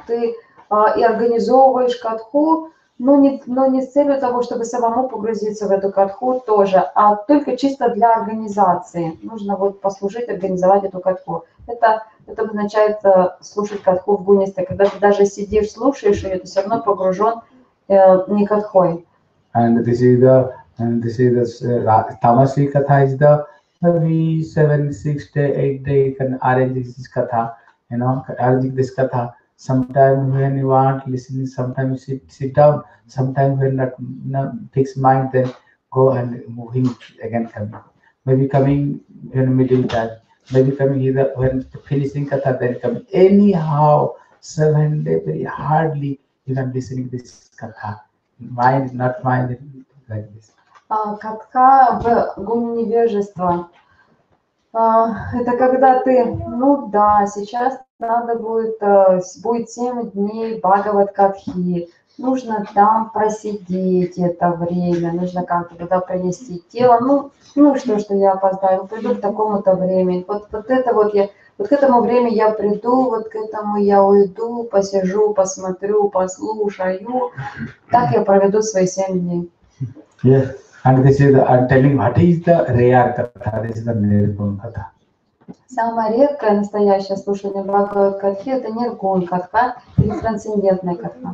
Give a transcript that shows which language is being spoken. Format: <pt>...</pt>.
<ru>Ты и организовываешь катху, но не с целью того, чтобы самому погрузиться в эту катху тоже, а только чисто для организации. Нужно вот послужить, организовать эту катху. Это означает слушать катху в гуне страсти. Когда ты даже сидишь, слушаешь ее, ты все равно погружен не катхой.</ru> <en>And this is the Tamasi Katha is the 3, 7, 6 day, 8 day you can arrange this Katha, you know, arranging this Katha. Sometime when you want listening, sometime you sit down, sometime when not fixed mind, then go and moving again coming. Maybe coming in middle time, maybe coming either when finishing Katha, then coming. Anyhow, 7 day, very hardly you can listen to this Katha. Mind, not mind, like this.</en> <ru>Катха в гуне невежества. Это когда ты, ну да, сейчас надо будет 7 дней Бхагавад Катхи. Нужно там просидеть это время, нужно как-то туда принести тело. Ну что я опоздаю, приду к такому-то времени. Вот к этому времени я приду, вот к этому я уйду, посижу, посмотрю, послушаю. Так я проведу свои 7 дней.</ru> <en>Yeah. And this is the, I'm telling what is the rare katha, this is the nirgun katha.</en> <ru>Самое редкое настоящее слушание Бхагавад Катхи – это ниргун катха или трансцендентная катха.</ru>